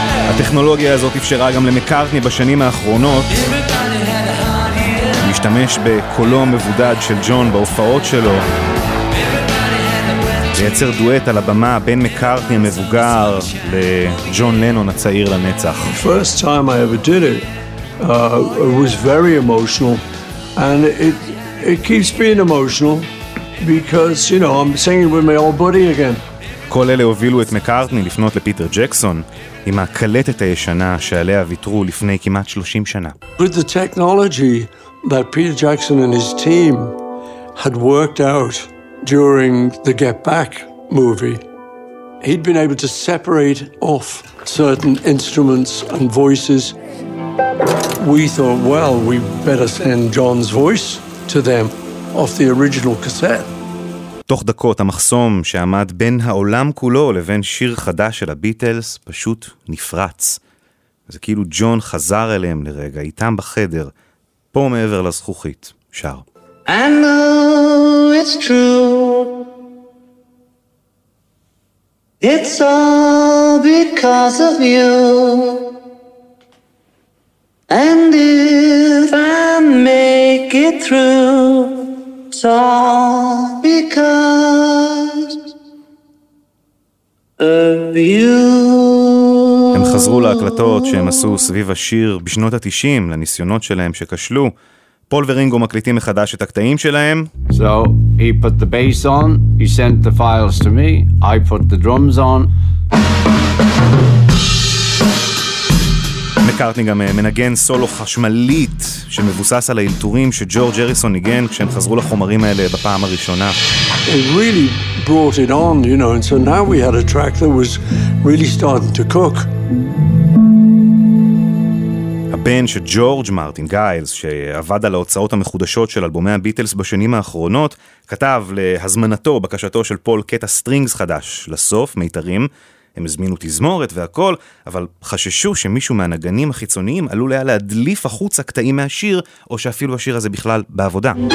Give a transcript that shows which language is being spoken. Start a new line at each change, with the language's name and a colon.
Hebrew: הטכנולוגיה הזאת אפשרה גם למקארטני בשנים האחרונות להשתמש בקולו המבודד של ג'ון בהופעות שלו, לייצר דואט על הבמה בין מקארטני המבוגר לג'ון לנון הצעיר לנצח.
English: The first time I ever did it, it was very emotional, and it keeps being emotional because, you know, I'm singing with my old buddy again.
Hebrew: כל אלה הובילו את מקארטני לפנות לפיטר ג'קסון עם הקלטת הישנה שעליה ויתרו לפני כמעט 30 שנה.
English: With the technology that Peter Jackson and his team had worked out during the Get Back movie, he'd been able to separate off certain instruments and voices. We thought, well, we better send John's voice to them off the original cassette.
Hebrew: תוך דקות המחסום שעמד בין העולם כולו לבין שיר חדש של הביטלס פשוט נפרץ. זה כאילו ג'ון חזר אליהם לרגע, איתם בחדר, פה מעבר לזכוכית, שר.
English: I know it's true, it's all because of you, and if I make it through, it's all because of you.
Hebrew: הם חזרו להקלטות שהם עשו סביב השיר בשנות ה-90 לניסיונות שלהם שכשלו. פול ורינגו מקליטים מחדש את הקטעים שלהם.
English: So he put the bass on, he sent the files to me, I put the drums on.
Hebrew: מקארטני גם מנגן סולו חשמלית שמבוסס על האלתורים שג'ורג' הריסון ניגן כשהם חזרו לחומרים האלה בפעם הראשונה.
English: It really brought it on, you know, and so now we had a track that was really starting to cook.
Hebrew: הבן שג'ורג' מרטין גיילס, שעבד על ההוצאות המחודשות של אלבומי הביטלס בשנים האחרונות, כתב להזמנתו, בקשתו של פול, קטע סטרינגס חדש, לסוף, מיתרים. הם הזמינו תזמורת והכל, אבל חששו שמישהו מהנגנים החיצוניים עלול היה להדליף החוץ הקטעים מהשיר, או שאפילו השיר הזה בכלל בעבודה.